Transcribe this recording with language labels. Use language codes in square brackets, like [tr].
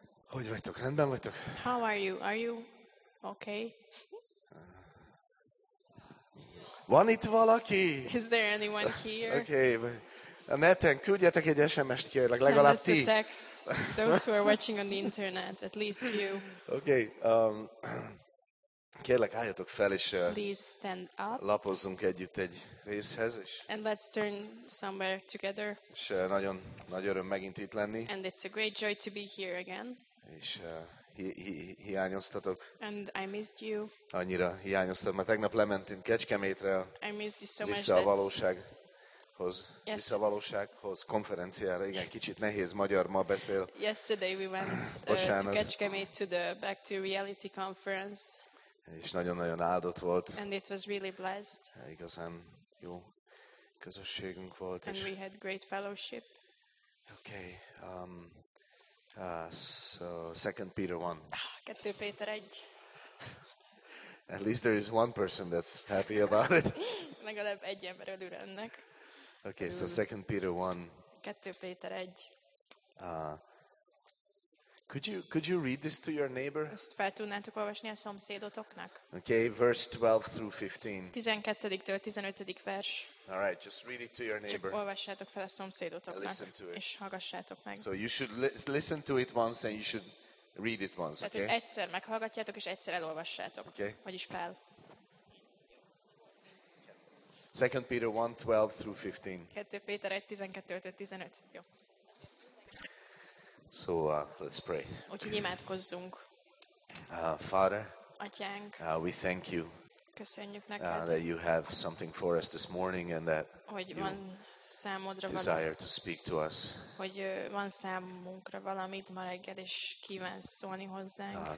[hu] Hogy vagytok? Rendben vagytok? [en] How are you? Are you okay? [hu] Van itt valaki? [en] Is there anyone here? Okay. [hu] A neten küldjetek egy SMS-t kérlek, [en] Send [hu] legalább ti. [en] Send us a text, those who are watching on the internet, at least you. [hu] Okay. Kérlek, álljatok fel, és [en] Please stand up. [hu] Lapozzunk együtt egy részhez. És [en] And let's turn somewhere together. [hu] És nagyon nagy öröm megint itt lenni. [en] And it's a great joy to be here again. [hu] És hiányoztatok. [en] And I missed you. [hu] Annyira hiányoztam, mert tegnap lementünk Kecskemétre. [en] I missed you so much. [hu] Vissza a valósághoz, konferenciára. Igen, kicsit nehéz magyar ma beszél. [en] Yesterday we went to Kecskemét to the Back to Reality conference. [hu] És nagyon-nagyon áldott volt. [en] And it was really blessed. [hu] Igazán jó közösségünk volt. [en] And we had great fellowship. Okay. So 2 Peter 1. [hu] 2 Péter 1. [en] At least there is one person that's happy about it. [hu] Legalább egy ember örül ennek. [en] Okay, so 2 Peter 1. [hu] 2 Péter 1. [en] Could you read this to your neighbor? [hu] Ezt fel tudnátok olvasni a szomszédotoknak? [en] Okay, verse 12 through 15. [hu] 12-től 15-dik vers. [en] All right, just read it to your neighbor. [hu] Csak olvassátok fel a szomszédotoknak, és hallgassátok meg. [en] So you should listen to it once and you should read it once, okay? [hu] Tehát, hogy egyszer meghallgatjátok és egyszer elolvassátok. [en] Okay. [hu] Vagyis fel. [en] 2 Peter 1, 12 through 15. [hu] 2 Péter 1, 12-től 15. Jó. [en] So let's pray. [hu] Úgyhogy imádkozzunk. [en] Father, [hu] Atyánk, [en] we thank you. [hu] Köszönjük neked, [en] that you have something for us this morning and that [hu] hogy van számodra [en] desire [hu] valami, [en] to speak to us. [hu] Hogy van számunkra valamit ma reggel és kívánsz szólni hozzánk.